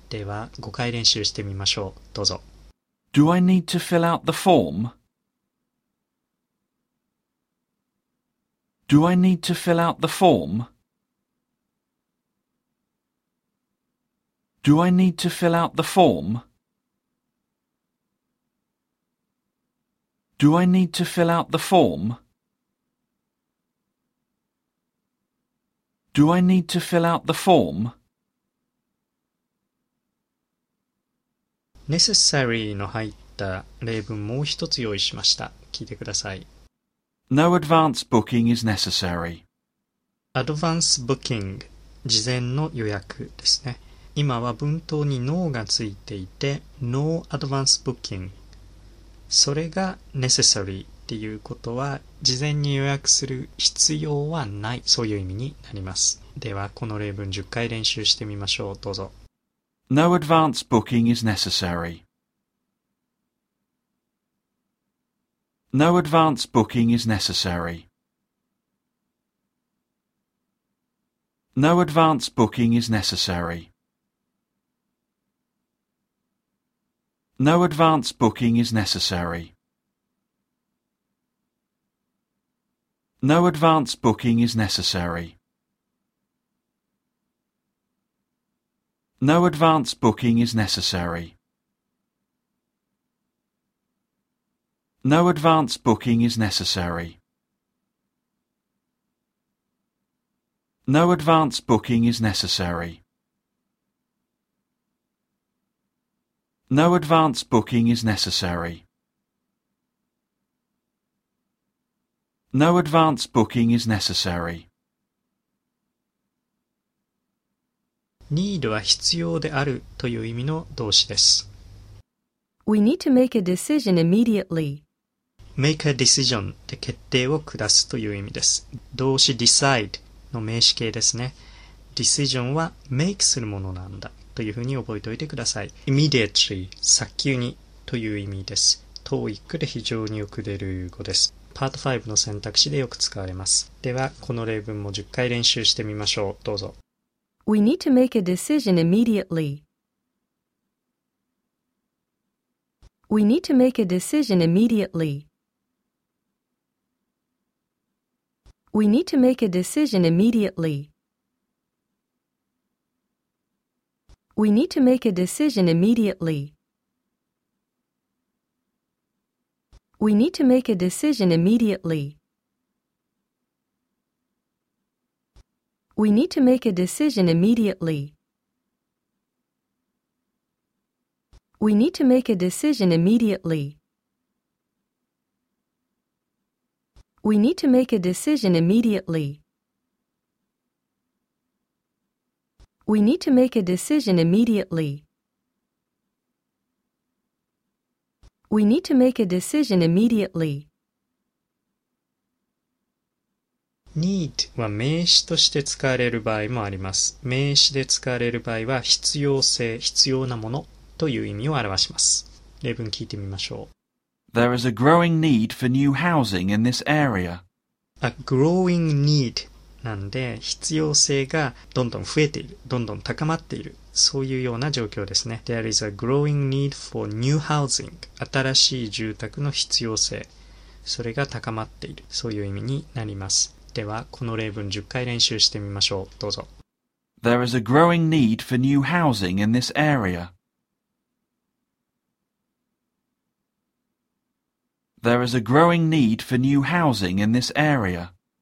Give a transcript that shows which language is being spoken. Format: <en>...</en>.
<ja>では5回練習してみましょう。どうぞ。</ja> <en>Do I need to fill out the form? Do I need to fill out the form? Do I need to fill out the formDo I need to fill out the form? Do I need to fill out the form?</en> <ja>Necessary の入った例文もう一つ用意しました。聞いてください。</ja> <en>No advance booking is necessary.</en> <ja>Advance booking、事前の予約ですね。今は文頭に no がついていて、</ja> <en>No advance booking。</en> <ja>それが necessary っていうことは、事前に予約する必要はない、そういう意味になります。ではこの例文10回練習してみましょう。どうぞ。</ja> <en>No advance booking is necessary. No advance booking is necessary. No advance booking is necessary. No advance booking is necessary. No advance booking is necessary. No advance booking is necessary. No advance booking is necessary. No advance booking is necessary. No advance booking is necessary. No advance booking is necessary.</en> <ja>Need は必要であるという意味の動詞です。</ja> <en>We need to make a decision immediately. Make a decision</en> <ja>で決定を下すという意味です。動詞 decide の名詞形ですね。Decision は make するものなんだというふうに覚えておいてください。 Immediately、早急にという意味です。TOEIC で非常によく出る語です。パート5の選択肢でよく使われます。では、この例文も10回練習してみましょう。どうぞ。</ja> <en>We need to make a decision immediately. We need to make a decision immediately. We need to make a decision immediately. We need to make a decision immediately. We need to make a decision immediately. We need to make a decision immediately. We need to make a decision immediately. We need to make a decision immediately. We need to make a decision immediately. We need to make a decision immediately.</en> <ja>Need は名詞として使われる場合もあります。名詞で使われる場合は必要性、必要なものという意味を表します。例文聞いてみましょう。</ja> <en>There is a growing need for new housing in this area. A growing need</en> <ja>なんで必要性がどんどん増えている、どんどん高まっている。そういうような状況ですね。</ja> <en>There is a growing need for new housing.</en> <ja>新しい住宅の必要性。それが高まっている。そういう意味になります。では、この例文10回練習してみましょう。どうぞ。</ja> <en>There is a growing need for new housing in this area. There is a growing need for new housing in this area.</en>